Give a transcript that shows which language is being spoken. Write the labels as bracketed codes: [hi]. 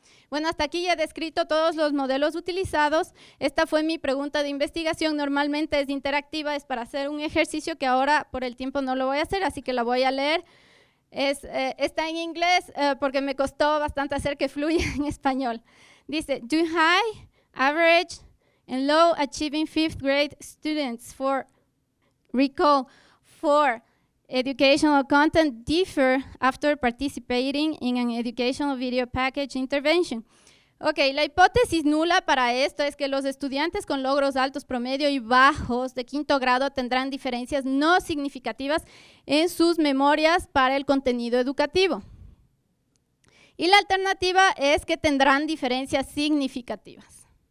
[es] Bueno, hasta aquí ya he descrito todos los modelos utilizados. Esta fue mi pregunta de investigación. Normalmente es interactiva, es para hacer un ejercicio que ahora por el tiempo no lo voy a hacer, así que la voy a leer. Está en inglés porque me costó bastante hacer que fluya en español. Dice, [en] do high, average and low achieving fifth grade students for recall for educational content differ after participating in an educational video package intervention. [es] Ok, la hipótesis nula para esto es que los estudiantes con logros altos, promedio y bajos de quinto grado tendrán diferencias no significativas en sus memorias para el contenido educativo. Y la alternativa es que tendrán diferencias significativas.